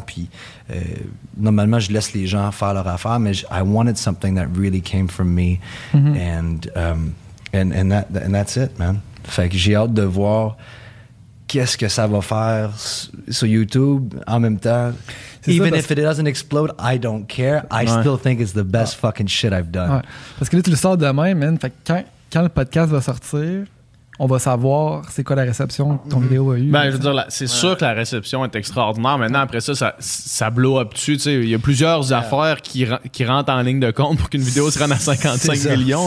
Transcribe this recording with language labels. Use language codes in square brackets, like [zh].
[fr] Puis normalement, je laisse les gens faire leur affaire, mais [en] I wanted something that really came from me. Mm-hmm. And that's it, man. [fr] Fait que j'ai hâte de voir qu'est-ce que ça va faire sur YouTube en même temps. [en] If it doesn't explode, I don't care. Still think it's the best fucking shit I've done. [fr] Ouais. Parce que là, tu le sors demain, man. Fait que quand le podcast va sortir, on va savoir c'est quoi la réception que ton vidéo a eu. Ben, je veux dire, sûr que la réception est extraordinaire. Maintenant, après ça blow up dessus. Tu sais, il y a plusieurs affaires qui rentrent en ligne de compte pour qu'une vidéo se rende à 55 millions.